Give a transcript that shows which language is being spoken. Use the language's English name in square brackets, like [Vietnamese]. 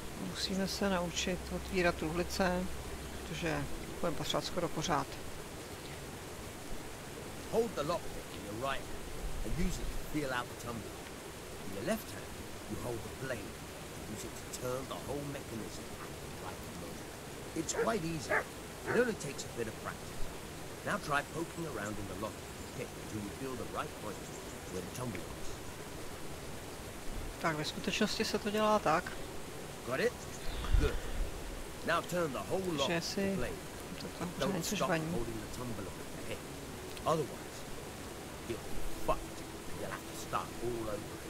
[Czech] Musíme se naučit otvírat truhlice, protože budeme potřebovat skoro pořád. [English] Hold the lock in your right hand and use it to feel out the tumbler. In your left hand, you hold the blade and use it to turn the whole mechanism like a motor. It's quite easy. It only takes a bit of practice. Now try poking around in the lock pit until you feel the right point where the tumbler is. [Czech] Tak, ve skutečnosti se to dělá tak. [English] Got it? Good. Now turn the whole lock on the blade. Don't stop holding the tumbler with the pit. Otherwise, you'll be fucked. You'll have to start all over.